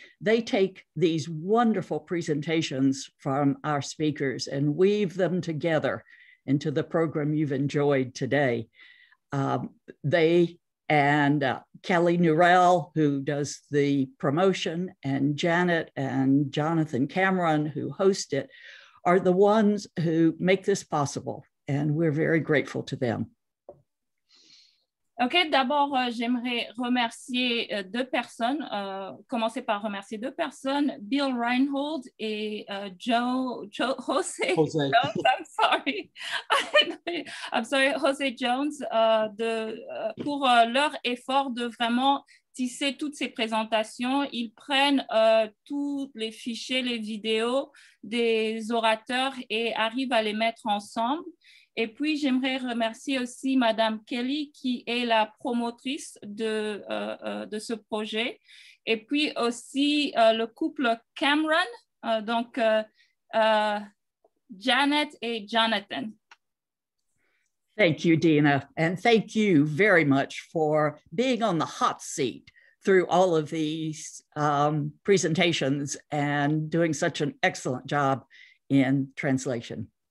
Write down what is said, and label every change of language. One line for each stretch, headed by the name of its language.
English: They take these wonderful presentations from our speakers and weave them together into the program you've enjoyed today. They and Kelly Norell, who does the promotion, and Janet and Jonathan Cameron, who host it, are the ones who make this possible. And we're very grateful to them.
French: Okay, d'abord, j'aimerais remercier deux personnes, commencer par remercier deux personnes, Bill Reinhold et Jose.
English: I'm sorry,
French: Jose Jones, pour leur effort de vraiment tisser toutes ces présentations. Ils prennent tous les fichiers, les vidéos des orateurs et arrivent à les mettre ensemble. Et puis, j'aimerais remercier aussi Madame Kelly, qui est la promotrice de ce projet. Et puis aussi le couple Cameron, Janet et Jonathan.
English: Thank you, Dina. And thank you very much for being on the hot seat through all of these presentations and doing such an excellent job in translation.